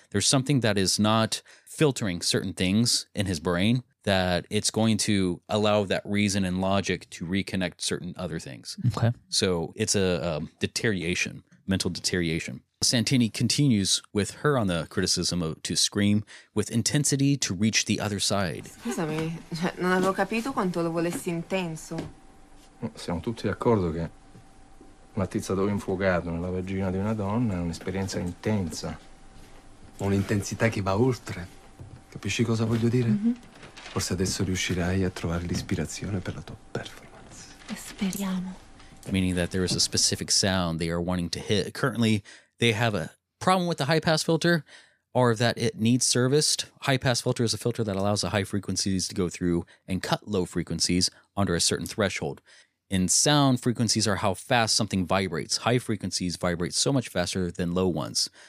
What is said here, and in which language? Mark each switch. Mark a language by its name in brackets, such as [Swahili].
[English] There's something that is not filtering certain things in his brain that it's going to allow that reason and logic to reconnect certain other things. Okay. So it's a deterioration, mental deterioration. Santini continues with her on the criticism of to scream with intensity to reach the other side. [Italian] Scusami, cioè, non avevo capito quanto lo volessi intenso. Siamo tutti d'accordo che Matizza dove infuocato nella vagina di una donna è un'esperienza intensa. Un'intensità che va oltre. Capisci cosa voglio dire? Mm-hmm. Forse adesso riuscirai a trovare l'ispirazione per la tua performance. E speriamo. [English] Meaning that there is a specific sound they are wanting to hit. Currently, they have a problem with the high-pass filter or that it needs serviced. High-pass filter is a filter that allows the high frequencies to go through and cut low frequencies under a certain threshold. In sound, frequencies are how fast something vibrates. High frequencies vibrate so much faster than low ones.